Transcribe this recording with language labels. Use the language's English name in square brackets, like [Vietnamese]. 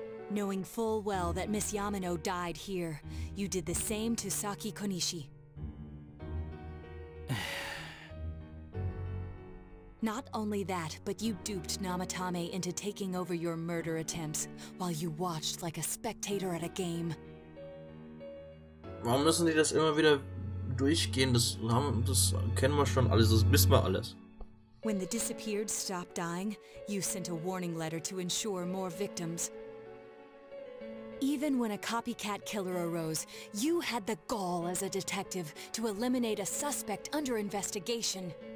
[English] Knowing full well that Miss Yamano died here, you did the same to Saki Konishi. Not only that, but you duped Namatame into taking over your murder attempts, while you watched like a spectator at a game. [German] Warum müssen die das immer wieder durchgehen? Das kennen wir schon alles, das wissen wir alles. [English] When the disappeared stopped dying, you sent a warning letter to ensure more victims. Even when a copycat killer arose, you had the gall as a detective to eliminate a suspect under investigation.